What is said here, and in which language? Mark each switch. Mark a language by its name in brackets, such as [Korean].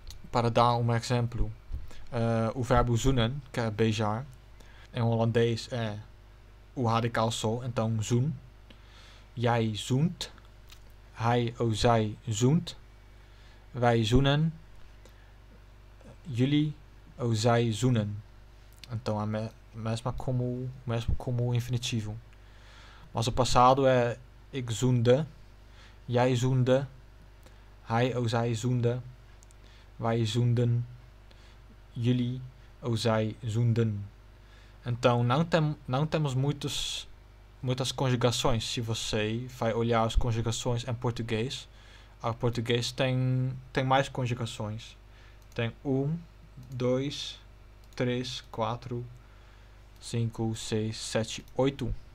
[Portuguese] Para dar um exemplo, o verbo zoenen, que é beijar, em holandês é o radical só, então zoen. [Dutch] Jij zoent. Hij ou zij zoent. Wij zoenen. Jullie ou zij zoenen. [Portuguese] Então, mesmo como o infinitivo. Mas o passado é [Dutch] ik zoende, jij zoende, hij ou zij zoende, wij zoenden, jullie ou zij zoenden. [Portuguese] Então não temos muitas conjugações. Se você vai olhar as conjugações em português, o português tem mais conjugações. Tem 1, 2, 3, 4, 5, 6, 7, 8.